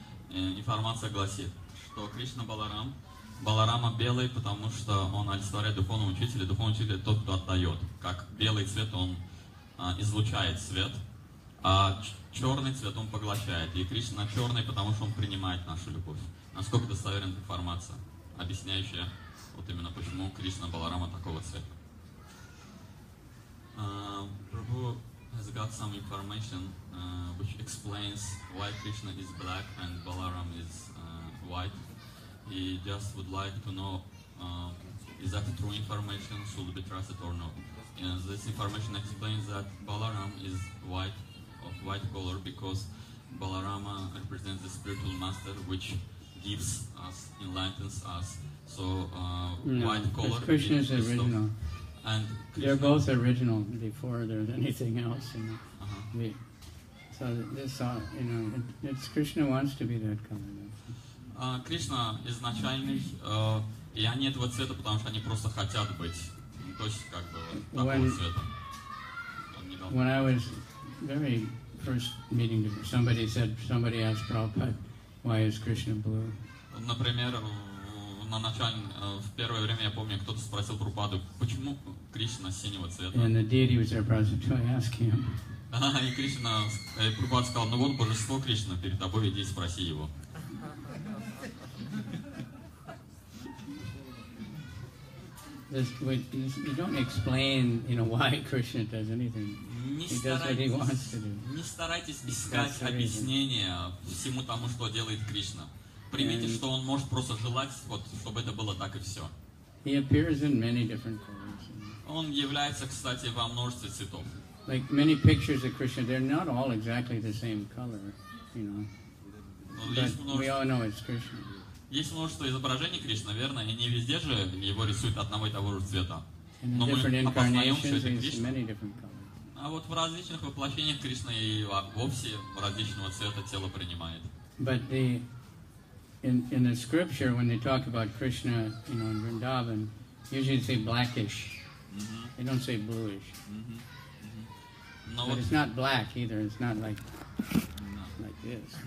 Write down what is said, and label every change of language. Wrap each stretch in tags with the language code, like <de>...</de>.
<ru>Информация гласит, что Кришна Баларам, Баларама белый, потому что он олицетворяет духовного учителя, духовный учитель тот, кто отдает. Как белый цвет, он излучает свет, а черный цвет он поглощает. И Кришна черный, потому что он принимает нашу любовь. Насколько достоверна информация, объясняющая, вот именно почему Кришна Баларама такого цвета.</ru> <en>Prabhu has got some information which explains why Krishna is black and Balaram is white. He just would like to know, is that true information, should be trusted or not. And this information explains that Balaram is white, of white color, because Balarama represents the spiritual master which gives us, enlightens us. So white color is Krishna is original. And they're both original before there's anything else, you know. So this, you know, it's Krishna wants to be that color.</en> <ru>Кришна изначальный, и они этого цвета, потому что они просто хотят быть. То есть как бы такого цвета.</ru> <en>When I was very first meeting, somebody said, somebody asked Prabhupada, why is Krishna blue?</en> <ru>Например, в первое время я помню, кто-то спросил Прабхупаду, почему Кришна синего цвета.</ru> <en>And the deity was there present to ask him.</en> <ru>И Кришна, и Прабхупада сказал, ну вот божество Кришна, перед тобой иди спроси его.</ru> <en>You don't explain, you know, why Krishna does anything. He does what he wants to do.</en> <ru>Не старайтесь искать объяснение всему тому, что делает Кришна. Примите, что он может просто желать, вот, чтобы это было так и все.</ru> <en>He appears in many different colors.</en> <ru>Он является, кстати, во множестве цветов.</ru> <en>Like many pictures of Krishna, they're not all exactly the same color, you know. But we all know it's Krishna.</en> <ru>Есть множество изображений Кришны, верно, и не везде же его рисуют одного и того же цвета. Но мы опознаем, что это Кришна. А вот в различных воплощениях Кришна и вовсе различного цвета тело принимает.</ru> <en>But the, in the scripture, when they talk about Krishna, you know, in Vrindavan, usually they say blackish. Mm-hmm. They don't say bluish. Mm-hmm. Mm-hmm. But it's not black either, it's not like, like this.</en>